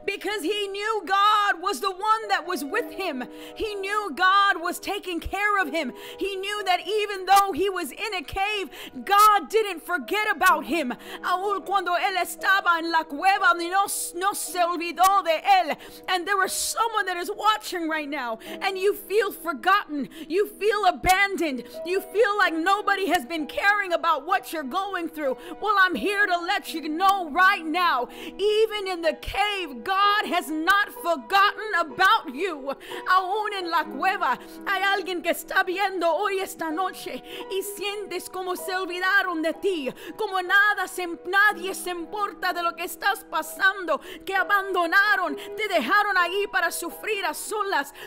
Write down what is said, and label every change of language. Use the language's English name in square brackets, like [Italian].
[English] because he knew God was the one that was with him. He knew God was taking care of him. He knew that even though he was in a cave, God didn't forget about him. [Spanish] Aun cuando él estaba en la cueva, no se olvidó de él. [English] And there is someone that is watching right now, and you feel forgotten. You feel abandoned. You feel like nobody has been caring about what you're going through. Well, I'm here to let you know right now, even in the cave, God has not forgotten about you. [Spanish] Aún en la cueva, hay alguien que está viendo hoy esta noche y sientes como se olvidaron de ti, como nadie se importa de lo que estás pasando, que abandonaron, te dejaron ahí para sufrir a solas.